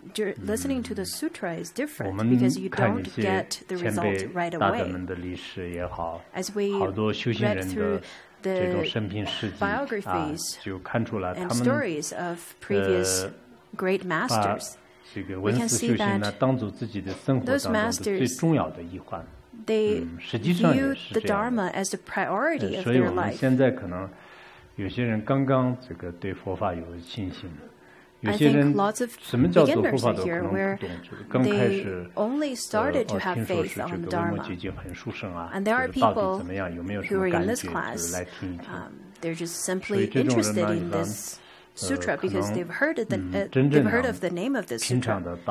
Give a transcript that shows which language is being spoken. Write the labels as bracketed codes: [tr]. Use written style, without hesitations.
[en] Listening to the sutra is different because you don't get the result right away. [zh] 大德们的历史也好，好多修行人的这种生平事迹啊，就看出来他们把这个文思修行呢当做自己的生活当中的最重要的一环。 [en] They view the dharma as the priority of their life. [zh] 所以我们现在可能有些人刚刚这个对佛法有信心。 [en] I think lots of beginners are here where they only started to have faith on the Dharma. And there are people who are in this class, they're just simply interested in this sutra because they've heard of the name of this sutra.